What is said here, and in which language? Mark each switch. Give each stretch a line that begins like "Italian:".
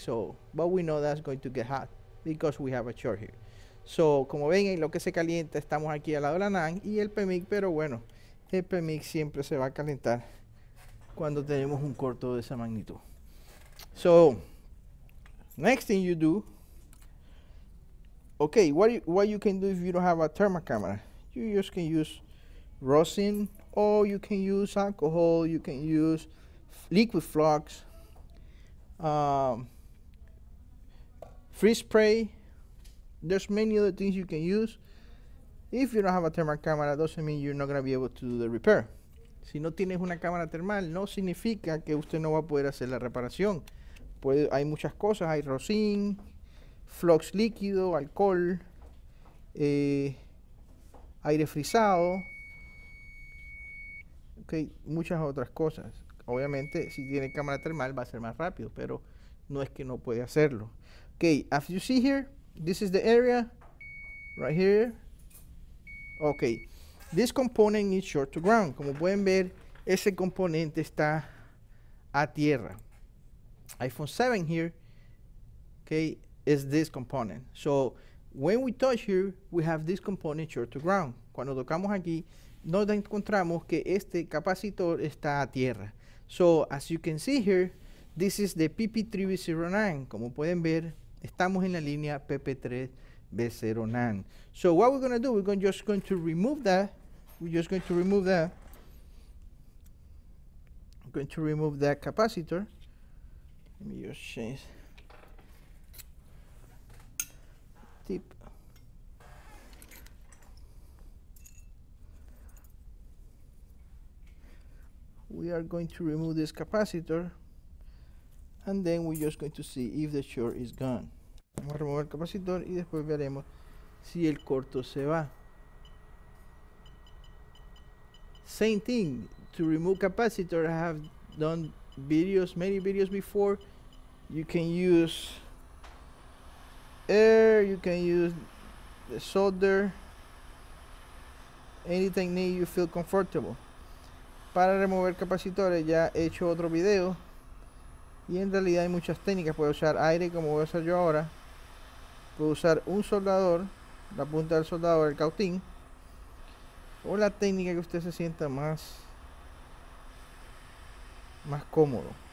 English: So, but we know that's going to get hot because we have a chart here.
Spanish: So, como ven, en lo que se calienta, estamos aquí al lado de la NANE y el PMIC, pero bueno, el PMIC siempre se va a calentar cuando tenemos un corto de esa magnitud.
English: So, next thing you do, okay, what you can do if you don't have a thermal camera, you just can use rosin, or you can use alcohol, you can use liquid flux, freeze spray. There's many other things you can use. If you don't have a thermal camera, doesn't mean you're not going to be able to do the repair.
Spanish: Si no tienes una cámara termal, no significa que usted no va a poder hacer la reparación. Hay muchas cosas, hay rosin, flux líquido, alcohol, aire frisado, okay, muchas otras cosas. Obviamente, si tiene cámara termal va a ser más rápido, pero no es que no puede hacerlo.
English: Okay, as you see here, this is the area, right here. Okay, this component is short to ground.
Spanish: Como pueden ver, ese componente está a tierra.
English: iPhone 7 here, okay, is this component. So when we touch here, we have this component short to ground.
Spanish: Cuando tocamos aquí, nos encontramos que este capacitor está a tierra.
English: So as you can see here, this is the PP3B09.
Spanish: Como pueden ver, estamos en la línea PP3B09.
English: So what we're going to do, we're going to remove that capacitor. Let me just change tip. We are going to remove this capacitor, and then we're just going to see if the short is gone.
Spanish: Vamos a remover el capacitor y después veremos si el corto se va.
English: Same thing, to remove capacitor, I have done videos, many videos before. You can use air, you can use the solder, any technique you feel comfortable.
Spanish: Para remover capacitores ya he hecho otro video y en realidad hay muchas técnicas. Puedo usar aire como voy a hacer yo ahora, puedo usar un soldador, la punta del soldador, el cautín, o la técnica que usted se sienta más cómodo.